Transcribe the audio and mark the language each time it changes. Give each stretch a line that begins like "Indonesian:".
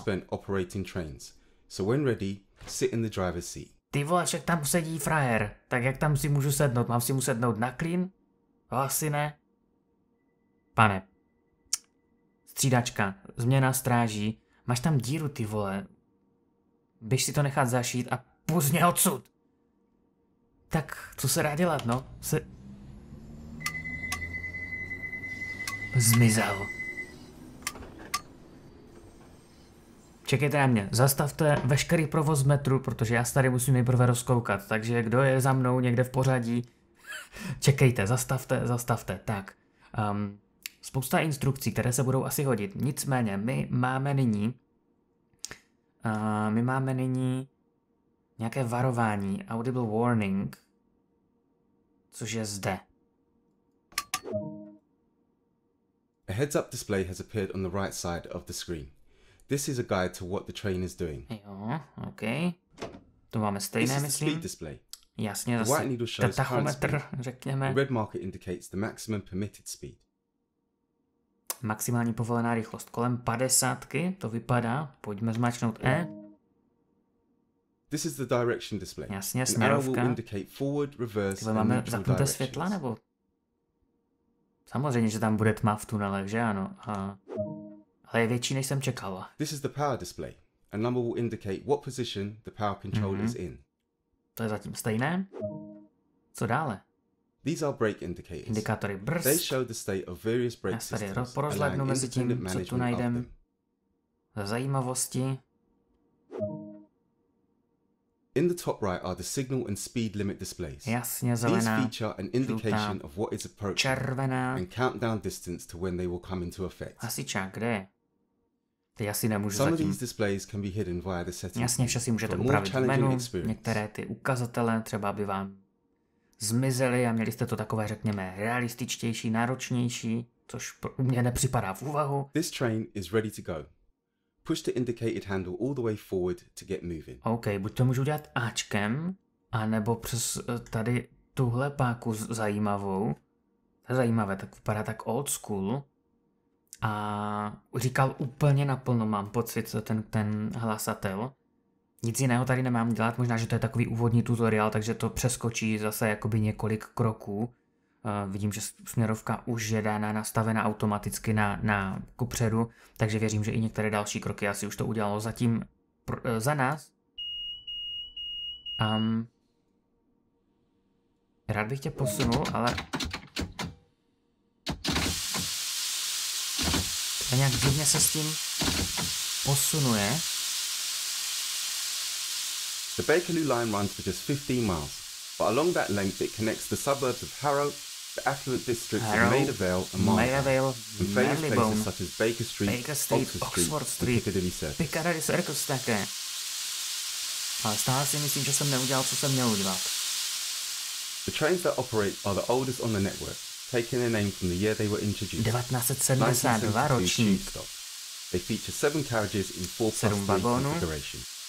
English: Spend operating trains. So when ready, sit in the driver's seat.
Czech: Ty vole, však tam sedí frajer. Tak jak tam si můžu sednout? Mám si mu sednout na klín? Asi ne. Pane. Střídačka. Změna stráží. Máš tam díru, ty vole. Běž si to nechat zašít a pusť mě odsud. Tak, co se dá dělat, no? Zmizel. Čekejte na mě, zastavte veškerý provoz metru, protože já se tady musím nejprve rozkoukat, takže kdo je za mnou někde v pořadí, čekejte, zastavte, tak. Spousta instrukcí, které se budou asi hodit, nicméně my máme nyní nějaké varování,
English: audible warning,
Czech: což je zde.
English: A heads up display has appeared on the right side of the screen. This is a guide to what the train is doing.
Czech: Jo, okay. To máme stejné, myslím.
English: This is the speed display.
Czech: Jasně, zase.
English: White needle shows current speed.
Czech: Řekněme.
English: The red marker indicates the maximum permitted speed.
Czech: Maximální povolená rychlost kolem 50, to vypadá. Pojďme zmáčknout E.
English: This is the direction display.
Czech: Jasně, směrovka.
English: An arrow indicate forward, reverse, and neutral directions.
Czech: Zapnuté světla nebo? Samozřejmě, že tam bude tma v tunele, že ano. Ale je větší, než jsem čekal.
English: This is the power display. A number will indicate what position the power control is in.
Czech: To je zatím stejné. Co dále?
English: These are brake indicators.
Czech: Indikátory brzd.
English: They show the state of various brake systems.
Czech: Já tady porozhlednu mezi tím, co tu najdem. Za zajímavosti.
English: In the top right are the signal and speed limit displays.
Czech: Jasně, zelená,
English: these feature an indication
Czech: žlutá,
English: of what is approaching,
Czech: červená,
English: and countdown distance to when they will come into effect.
Czech: Hasičák, kde je? Ty asi nemůžu
English: some
Czech: zatím.
English: Of these displays can be hidden via the settings.
Czech: Jasně, všechny můžete upravit v menu. Některé ty ukazatele třeba by vám zmizely a měli jste to takové, řekněme, realističtější, náročnější, což u mě nepřipadá v úvahu.
English: This train is ready to go. Push the indicated handle all the way forward to get moving.
Czech: OK, buď to můžu udělat Ačkem, anebo přes tady tuhle páku zajímavou. To je zajímavé, tak vypadá tak old school. A říkal úplně naplno, mám pocit, ten hlasatel. Nic jiného tady nemám dělat, možná, že to je takový úvodní tutoriál, takže to přeskočí zase jakoby několik kroků. Vidím, že směrovka už je dána nastavena automaticky na kupředu, takže věřím, že i některé další kroky asi už to udělalo zatím za nás. Rád bych tě posunul, ale... A nějak divně se s tím posunuje.
English: The Bakerloo line runs for just 15 miles, but along that length it connects the suburbs of Harrow, the affluent districts of Maidavale and Marylebone, and famous places such as Baker Street, Baker Street, Oxford Street, and Piccadilly Circus.
Czech: Piccadilly Circus také. Ale stále si myslím, že jsem neudělal, co jsem měl udělat.
English: The trains that operate are the oldest on the network, taking their name from the year they were introduced.
Czech: 1972 ročník.
English: They feature 7 carriages in 4+3 configuration.